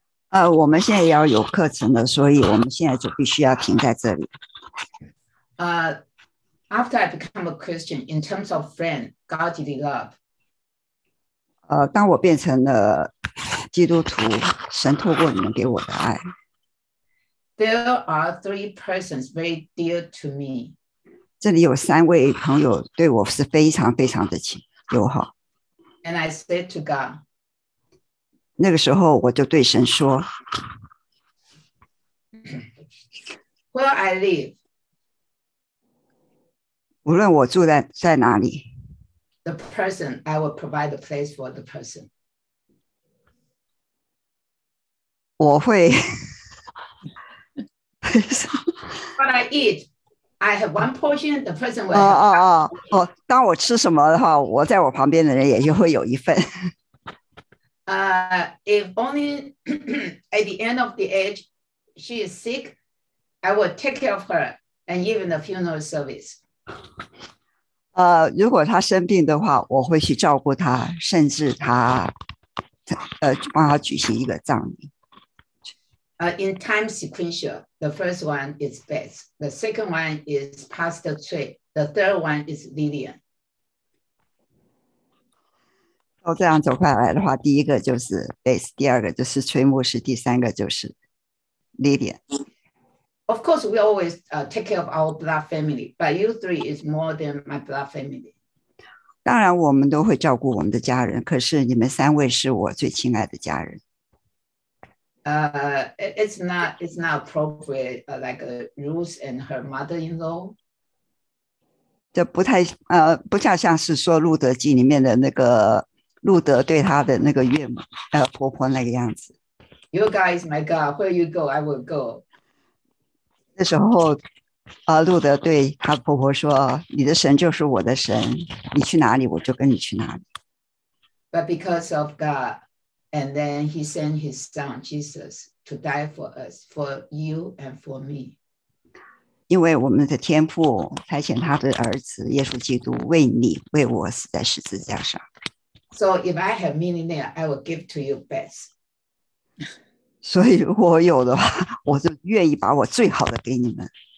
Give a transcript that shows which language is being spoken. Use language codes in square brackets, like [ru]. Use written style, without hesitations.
[zh] 我们现在要有课程了，所以我们现在就必须要停在这里。 [en] After I become a Christian, in terms of friend, godly love. [zh] 当我变成了基督徒，神透过你们给我的爱。 [en] There are three persons very dear to me. [zh] 这里有三位朋友对我是非常非常的亲友好。 [en] And I said to God. [zh] 那个时候我就对神说。 [en] Where I live. [zh] 无论我住 在哪里 [en] ，the person I will provide a place for the person。 [zh] 我会。 [en] What I eat, I have one portion. The person will. [zh] 当我吃什么的话，我在我旁边的人也就会有一份。 [en] if only at the end of the age she is sick, I will take care of her and even the funeral service. [zh] 如果他生病的话，我会去照顾他，甚至他，帮他举行一个葬礼。 [en] In time sequential, the first one is Beth, the second one is Pastor Trey, the third one is Lillian. [zh] 都这样走快来的话，第一个就是 Beth， 第二个就是崔牧师，第三个就是 Lillian。 [en] Of course, we always take care of our blood family, but you three is more than my blood family. [zh] 当然我们都会照顾我们的家人，可是你们三位是我最亲爱的家人。 [en] It's not appropriate, like Ruth and her mother-in-law. [zh] 这不太不恰像是说路德记里面的那个路德对他的那个岳母婆婆那个样子。 [en] You guys, my God, where you go, I will go. [zh] 那时候，路德对他婆婆说：“你的神就是我的神，你去哪里，我就跟你去哪里。” [en] But because of God, and then He sent His Son Jesus to die for us, for you and for me. [zh] 因为我们的天父差遣他的儿子耶稣基督为你为我死在十字架上。 [en] So if I have millionaire, I will give to you best. [zh] 所以如果有的话，我就愿意把我最好的给你们。